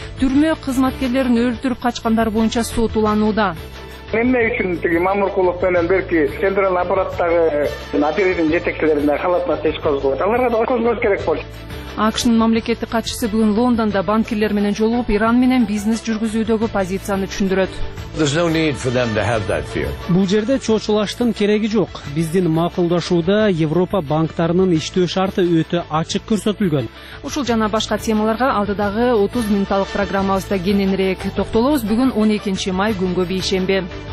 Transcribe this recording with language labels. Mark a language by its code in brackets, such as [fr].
[ky] Түрмө кызматкерлерин өлтүрүп качкандар боюнча сот уланууда. Эмне үчүн тиги мамуркулук менен берки центральный аппараттагы отрядтын жетекчилерине халатна иш козголот? Аларга да козголуш керек болчу. АКШнын мамлекеттик катчысы бүгүн Лондондо банкерлер менен жолугуп, Иран менен бизнес жүргүзүүдөгү позицияны түшүндүрөт. [en] There's no need for them to have that fear. [ky] Бул жерде чочулаштын кереги жок. Биздин макулдашууда Европа банктарынын иштөө шарты өтө ачык көрсөтүлгөн. Ушул жана башка темаларга алдыдагы 30 минуттук программабызда кененирээк токтолобуз. Бүгүн 12 май күнгө бийшемби.